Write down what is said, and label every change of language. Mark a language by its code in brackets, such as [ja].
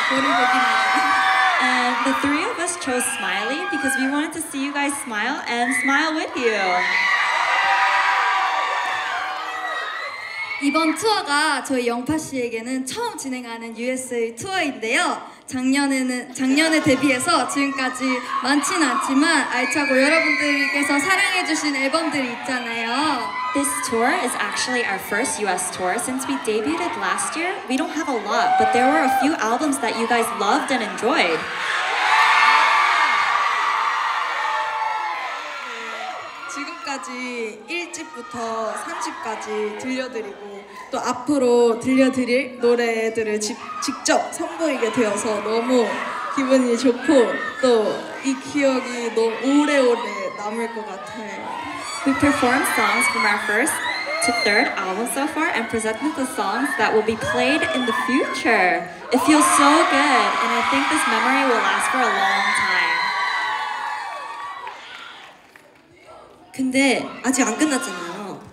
[en] The three of us chose Smiley because we wanted to see you guys smile and smile with you. [ko] 이번 투어가 저희 영파 씨에게는 처음 진행하는 USA 투어인데요. 작년에 데뷔해서 지금까지 많진 않지만 알차고 여러분들께서 사랑해 주신 앨범들이 있잖아요. [en] This tour is actually our first US tour since we debuted last year. We don't have a lot, but there were a few albums that you guys loved and enjoyed. [ko] 1집부터 3집까지 들려드리고 또 앞으로 들려드릴 노래들을 직접 선보이게 되어서 너무 기분이 좋고 또 이 기억이 너무 오래오래 남을 것 같아요. [en] We performed songs from our first to third album so far and presented the songs that will be played in the future. It feels so good and I think this memory will last for a long time. [ko] 근데 아직 안 끝났잖아요.